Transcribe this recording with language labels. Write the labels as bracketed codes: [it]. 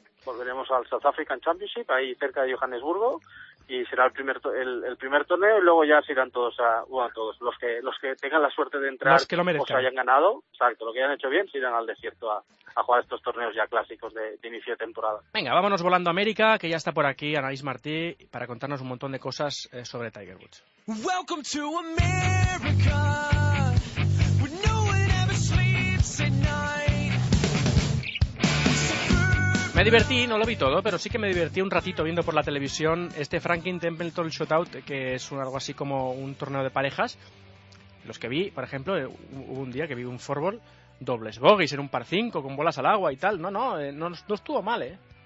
[es] Volveremos al South African Championship, ahí cerca de Johannesburgo, y será el primer torneo, y luego ya se irán todos todos los que tengan la suerte de entrar, que lo merezcan, o se hayan ganado, exacto, lo que hayan hecho bien, se irán al desierto a jugar estos torneos ya clásicos de inicio de temporada. Venga, vámonos volando a América, que ya está por aquí Anaïs Martí para contarnos un montón de cosas sobre Tiger Woods. [en] Welcome to America, where no one ever sleeps at night. [es] Me divertí, no lo vi todo, pero sí que me divertí un ratito viendo por la televisión este Franklin Templeton Shootout, que es algo así como un torneo de parejas. Los que vi, por ejemplo, hubo un día que vi un fourball, dobles bogeys en un par 5 con bolas al agua y tal. No estuvo mal, ¿eh?